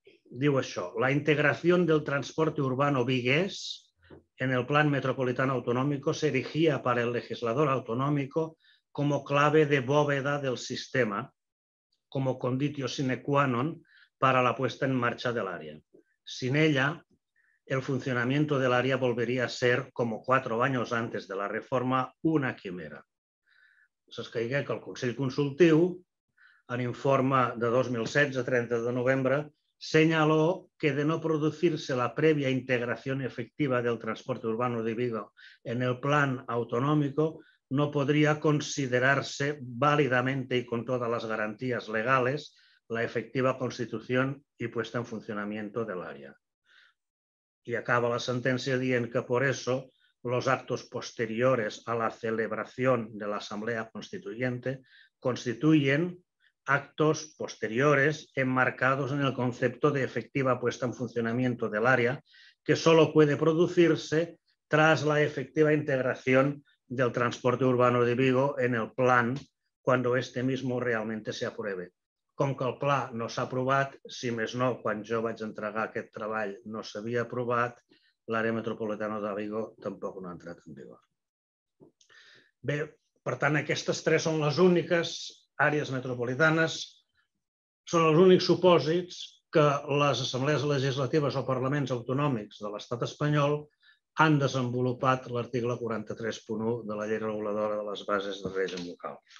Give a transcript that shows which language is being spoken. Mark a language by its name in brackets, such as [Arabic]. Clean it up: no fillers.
[Catalan] diu això: [Spanish] la integració del transporte urbano vigués en el plan metropolitano autonómico se erigía para el legislador autonómico como clave de bóveda del sistema, como conditio sine qua non para la puesta en marcha del área. Sin ella, el funcionamiento del área volvería a ser, como 4 años antes de la reforma, una quimera. [Catalan] S'escaigué que el Consell Consultiu, en informe de 2016, 30 de novembre, [Spanish] señaló que de no producirse la previa integración efectiva del transporte urbano de Vigo en el plan autonómico, no podría considerarse válidamente y con todas las garantías legales la efectiva constitución y puesta en funcionamiento del área. Y acaba la sentencia diciendo que por eso los actos posteriores a la celebración de la Asamblea Constituyente constituyen actos posteriores enmarcados en el concepto de efectiva puesta en funcionamiento del área, que solo puede producirse tras la efectiva integración del transporte urbano de Vigo en el plan, cuando este mismo realmente se apruebe. [Catalan] Com que el pla no s'ha aprovat, si més no, quan jo vaig entregar aquest treball no s'havia aprovat, l'àrea metropolitana de Vigo tampoc no ha entrat en vigor. Bé, per tant, aquestes tres són les úniques àrees metropolitanes, són els únics supòsits que les assemblees legislatives o parlaments autonòmics de l'estat espanyol han desenvolupat l'article 43.1 de la Llei Reguladora de les Bases de Règim Local.